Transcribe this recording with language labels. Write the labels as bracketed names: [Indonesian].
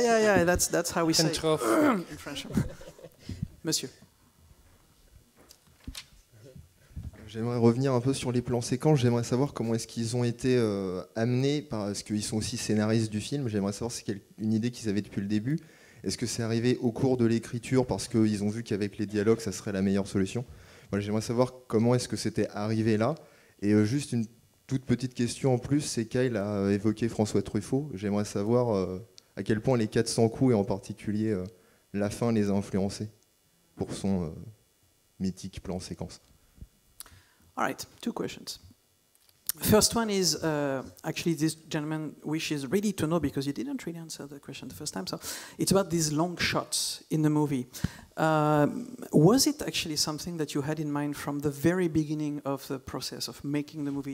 [English] Yeah, that's how we say it in French. [French] Monsieur. J'aimerais revenir un peu sur les plans séquences. J'aimerais savoir comment est-ce qu'ils ont été amenés, parce qu'ils sont aussi scénaristes du film. J'aimerais savoir si c'est une idée qu'ils avaient depuis le début. Est-ce que c'est arrivé au cours de l'écriture parce qu'ils ont vu qu'avec les dialogues, ça serait la meilleure solution? Moi, j'aimerais savoir comment est-ce que c'était arrivé là. Et juste une toute petite question en plus, c'est Kyle a évoqué François Truffaut. J'aimerais savoir à quel point les 400 coups et en particulier la fin les a influencés pour son mythique plan séquence. [English] All right, two questions. First one is actually this gentleman wishes really to know because he didn't really answer the question the first time. So it's about these long shots in the movie. Was it actually something that you had in mind from the very beginning of the process of making the movie?